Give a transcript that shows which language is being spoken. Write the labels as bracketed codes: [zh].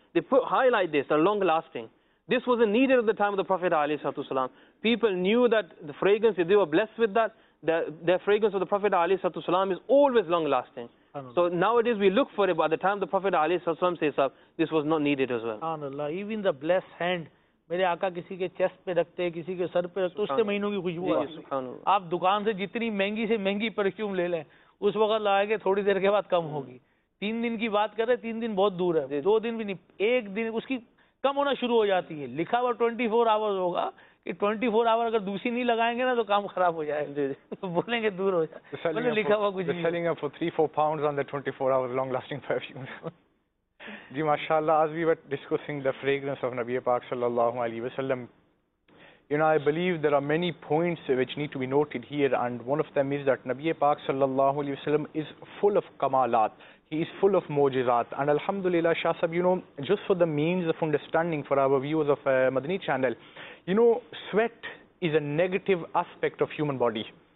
[en] They put highlight this, the long-lasting. This wasn't needed at the time of the Prophet alayhi salatu wasalam. People knew that the fragrance, if they were blessed with that, the fragrance of the Prophet alayhi salatu wasalam is always long-lasting. So nowadays we look for it, but at the time the Prophet alayhi salatu wasalam says, this was not needed as well. Even the blessed hand, [ur] میرے آقا کسی کے chest پہ رکھتے ہیں, کسی کے سر پہ رکھتے ہیں, اس کے مہینوں کی خوشبو آتی ہے. آپ دکان سے مہنگی پرفیوم لے لیں, اس وقت لائے گے تھوڑی دیر کے بعد کم ہوگی. تین دن کی بات کر رہے ہیں, تین دن بہت دور ہے, دو دن بھی نہیں, ایک دن اس کی کم ہونا شروع ہو جاتی ہے. لکھا ہوا 24 آور ہوگا کہ 24 آور اگر دوسری نہیں لگائیں گے نا تو کام خراب ہو جائے گا, بولیں گے دور ہو جائے. لکھا ہوا کچھ [en] Selling for 3-4 pounds on the 24 hour long lasting perfume. [ur] جی ماشاء اللہ, [en] as we were discussing the fragrance of Nabi Pak sallallahu alayhi wa sallam, you know, I believe there are many points which need to be noted here, and one of them is that Nabi Pak sallallahu alayhi wa sallam is full of kamalat, he is full of mojizat, and alhamdulillah Shah Sahib, you know, just for the means of understanding for our viewers of Madani channel, you know, sweat is a negative aspect of human body,